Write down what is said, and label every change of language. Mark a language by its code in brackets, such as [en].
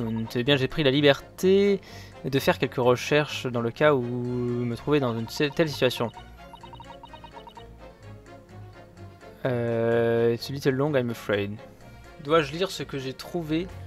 [fr] C'est bien, j'ai pris la liberté de faire quelques recherches dans le cas où me trouver dans une telle situation. [en] It's a little long, I'm afraid. [fr] Dois-je lire ce que j'ai trouvé?